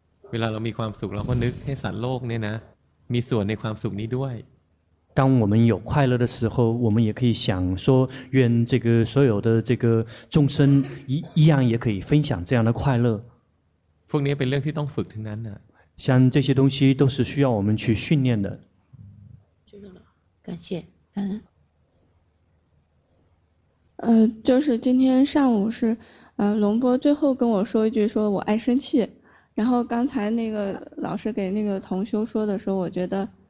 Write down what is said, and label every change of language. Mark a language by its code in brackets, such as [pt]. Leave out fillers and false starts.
[th] เวลาเรามีความสุขเราก็นึกให้สัตว์โลกเนี่ยนะมีส่วนในความสุขนี้ด้วย [zh] 当我们有快乐的时候我们也可以想说愿这个所有的这个众生 一样也可以分享这样的快乐 [th] พวกนี้เป็นเรื่องที่ต้องฝึกทั้งนั้นน่ะ [zh] 像这些东西都是需要我们去训练的知道了感谢感恩就是今天上午是龙波最后跟我说一句说我爱生气然后刚才那个老师给那个同修说的时候我觉得